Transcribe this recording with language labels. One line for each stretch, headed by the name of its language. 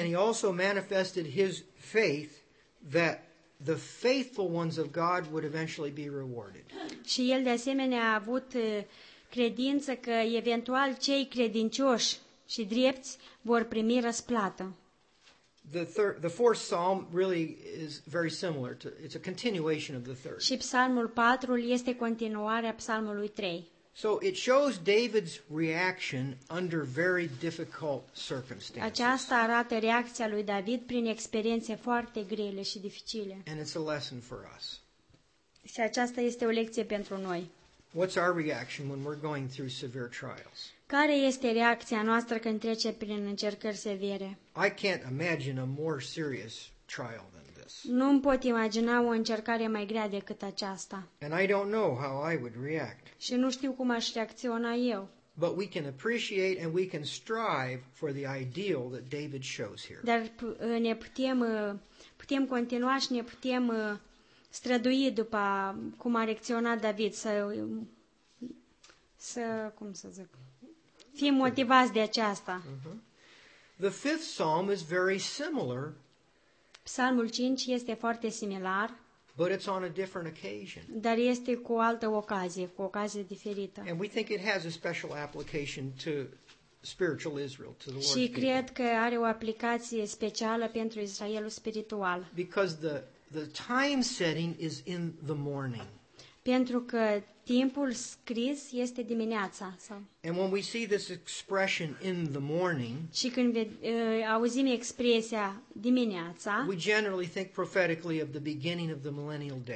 English: And he also manifested his faith that the faithful ones of God would eventually be rewarded.
Romanian: Și el de asemenea a avut credință că eventual cei credincioși și drepți vor primi răsplată.
English: The fourth psalm really is very similar to, it's a continuation of the third.
Romanian: Și psalmul 4 este continuarea psalmului 3.
English: So it shows David's reaction under very difficult circumstances.
Romanian: Aceasta arată reacția lui David prin experiențe foarte grele și dificile.
English: And it's a lesson for us.
Romanian: Și aceasta este o lecție pentru noi.
English: What's our reaction when we're going through severe trials?
Romanian: Care este reacția noastră când trecem prin încercări severe?
English: I can't imagine a more serious trial than this.
Romanian: Nu-mi pot imagina o încercare mai grea decât aceasta.
English: And I don't know how I would react.
Romanian: Și nu știu cum aș reacționa eu.
English: But we can appreciate and we can strive for the ideal that David shows here.
Romanian: Dar ne putem continua și ne putem străduit după cum a reacționat David, să cum să zic, fii motivați de aceasta.
English: The fifth psalm is very similar.
Romanian: Psalmul 5 este foarte similar.
English: But it's on a different occasion.
Romanian: Dar este cu altă ocazie, cu ocazie diferită.
English: And we think it has a special application to spiritual Israel, to the Lord's people.
Romanian: Și cred că are o aplicație specială pentru Israelul spiritual.
English: Because the time setting is in the morning.
Romanian: Pentru că timpul scris este dimineața.
English: And when we see this expression in the morning,
Romanian: și când auzim expresia dimineața,
English: we generally think prophetically of the beginning of the millennial day.